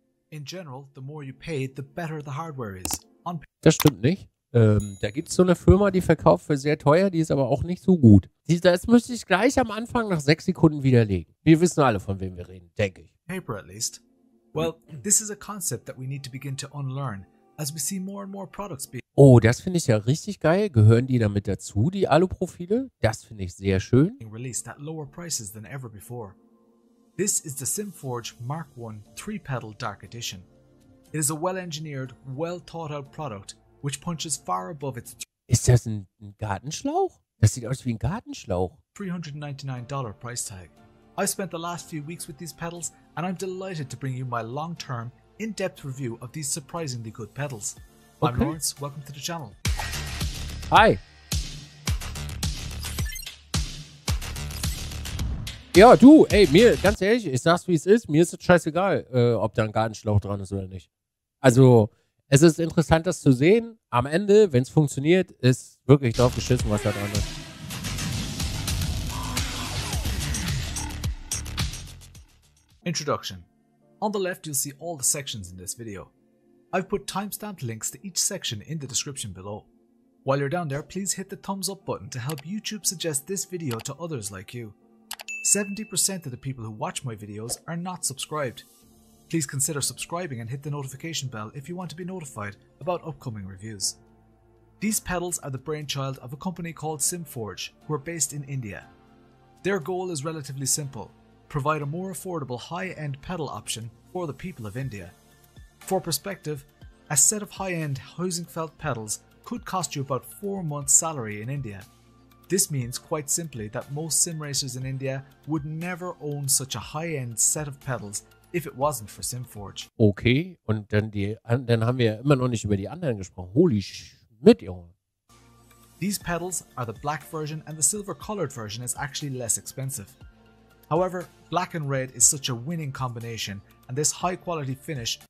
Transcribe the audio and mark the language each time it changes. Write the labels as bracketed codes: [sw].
[en] In general, the more you pay, the better the hardware is. [de] Das stimmt nicht. Da gibt es so eine Firma, die verkauft für sehr teuer, die ist aber auch nicht so gut. Das müsste ich gleich am Anfang nach 6 Sekunden widerlegen. Wir wissen alle, von wem wir reden, denke ich. [en] Paper at least. Well, this is a concept that we need to begin to unlearn, as we see more and more products being... [de] Oh, das finde ich ja richtig geil. Gehören die damit dazu, die Aluprofile? Das finde ich sehr schön. [en] ...released at lower prices than ever before. This is the SimForge Mark 1 3-Pedal Dark Edition. It is a well-engineered, well-thought-out product, which punches far above its... [de] Ist das ein Gartenschlauch? Das sieht aus wie ein Gartenschlauch. [en] $399 price tag. I've spent the last few weeks with these pedals, and I'm delighted to bring you my long-term, in-depth review of these surprisingly good pedals. Okay. I'm Lawrence, welcome to the channel. Hi. [de] Ja, du, ey, mir, ganz ehrlich, ich sag's wie es ist, mir ist es scheißegal, ob da ein Gartenschlauch dran ist oder nicht. Also, es ist interessant, das zu sehen. Am Ende, wenn es funktioniert, ist wirklich drauf geschissen, was da dran ist. [en] Introduction. On the left, you'll see all the sections in this video. I've put timestamped links to each section in the description below. While you're down there, please hit the thumbs up button to help YouTube suggest this video to others like you. 70% of the people who watch my videos are not subscribed. Please consider subscribing and hit the notification bell if you want to be notified about upcoming reviews. These pedals are the brainchild of a company called SimForge, who are based in India. Their goal is relatively simple: provide a more affordable high-end pedal option for the people of India. For perspective, a set of high-end Heusenfeld pedals could cost you about 4 months' salary in India. This means, quite simply, that most sim racers in India would never own such a high-end set of pedals if it wasn't for SimForge. [de] Okay, und dann haben wir immer noch nicht über die anderen gesprochen. [en] Holy shit, Junge. These pedals are the black version, and the silver-colored version is actually less expensive. However, black and red is such a winning combination, and this high-quality finish...